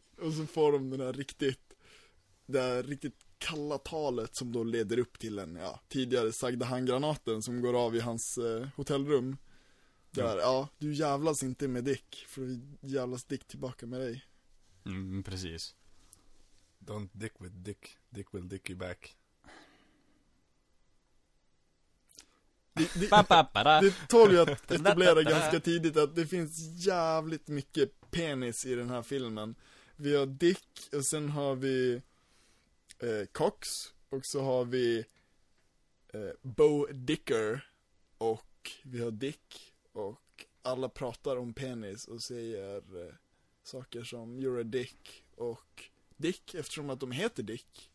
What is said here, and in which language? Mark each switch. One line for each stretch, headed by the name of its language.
Swedish: Och så får de det här riktigt kalla talet som då leder upp till en, ja, tidigare sagda handgranaten som går av i hans hotellrum. Där, ja, du jävlas inte med Dick, för vi jävlas Dick tillbaka med dig. Mm, precis.
English: Don't dick with Dick, Dick will dick you back.
Swedish: Det tål ju att etablera ganska tidigt att det finns jävligt mycket penis i den här filmen. Vi har Dick, och sen har vi Cox, och så har vi Bo Dicker, och vi har Dick, och alla pratar om penis och säger saker som
English: you're a dick
Swedish: och Dick, eftersom att de heter Dick.